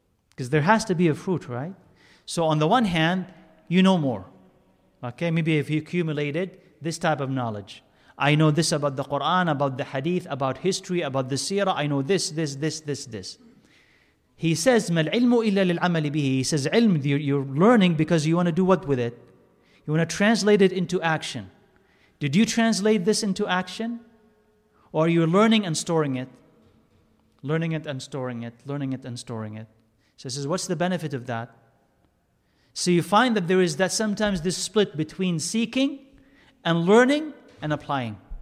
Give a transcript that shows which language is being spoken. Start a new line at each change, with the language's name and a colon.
English: Because there has to be a fruit, right? So on the one hand, you know more. Okay, maybe if you accumulated this type of knowledge. I know this about the Quran, about the hadith, about history, about the seerah. I know this, this, this, this, this. He says,
Arabic: مَا الْعِلْمُ إِلَّا لِلْعَمَلِ بِهِ.
English: He says, ilm, you're learning because you want to do what with it? You want to translate it into action. Did you translate this into action? Or are you learning and storing it? Learning it and storing it, learning it and storing it. So he says, what's the benefit of that? So you find that there is that sometimes this split between seeking and learning and applying.